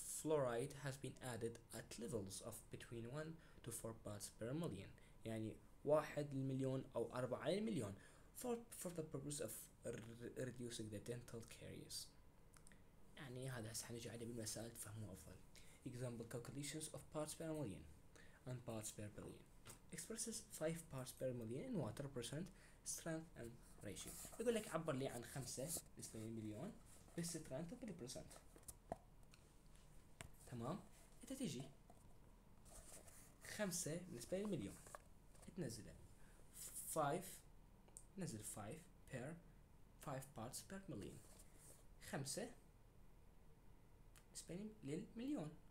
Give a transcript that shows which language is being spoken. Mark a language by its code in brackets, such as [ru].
[en] fluoride has been added at levels of between 1 to 4 parts per million. [ar] يعني واحد للمليون أو أربعة للمليون [en] for the purpose of reducing the dental caries. [ar] يعني هذا هسه حنجي عليه بالمسائل تفهموا أفضل. [en] Example calculations of parts per million and parts per billion. Expresses 5 parts per million in water percent strength and ratio. [ar] يقول لك عبر لي عن 5 نسبة للمليون بالسترينث وبالبرسنت. تمام؟ انت تجي 5 نسبة للمليون تنزله 5 نزل 5 [en] per 5 parts per million [ar] 5 نسبة للمليون.